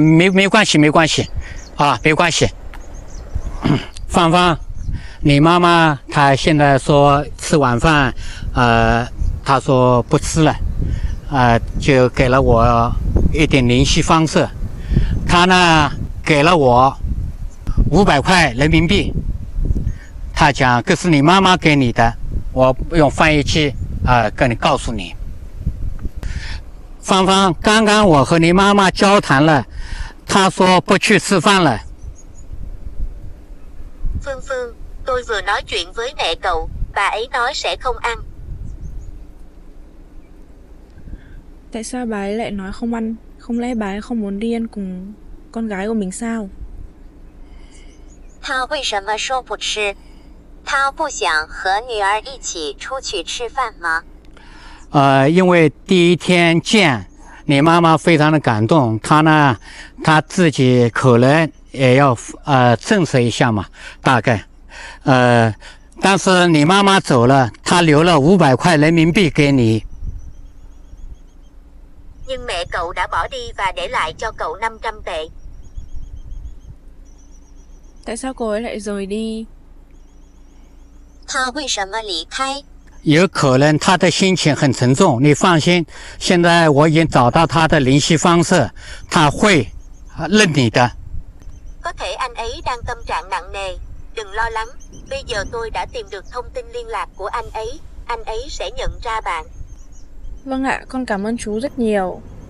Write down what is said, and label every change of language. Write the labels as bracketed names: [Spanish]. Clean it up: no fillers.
[Chinese] 没关系，没关系，啊，没关系。芳芳，你妈妈她现在说吃晚饭，她说不吃了，就给了我一点联系方式，她呢给了我500块人民币，他讲这是你妈妈给你的，我用翻译机跟你告诉你。芳芳，刚刚我和你妈妈交谈了，她说不去吃饭了。 [Vietnamese] 芬芬，tôi vừa nói chuyện với mẹ cậu, bà ấy nói sẽ không ăn. Tại sao bà ấy lại nói không ăn? Không lẽ bà ấy không muốn đi ăn cùng con gái của mình sao? [Chinese] 她为什么说不吃？她不想和女儿一起出去吃饭吗？因为第一天见你妈妈非常的感动，她呢，她自己可能也要证实一下嘛，大概，但是你妈妈走了，她留了500块人民币给你。 [Vietnamese] Nhưng mẹ cậu đã bỏ đi và để lại cho cậu 500 tệ. Tại sao cô ấy lại rời đi? [Chinese] 她为什么离开？有可能他的心情很沉重，你放心，现在我已经找到他的联系方式，他会认你的。 [Vietnamese] có thể anh ấy đang tâm trạng nặng nề, đừng lo lắng, bây giờ tôi đã tìm được thông tin liên lạc của anh ấy sẽ nhận ra bạn. Vâng ạ, con cảm ơn chú rất nhiều.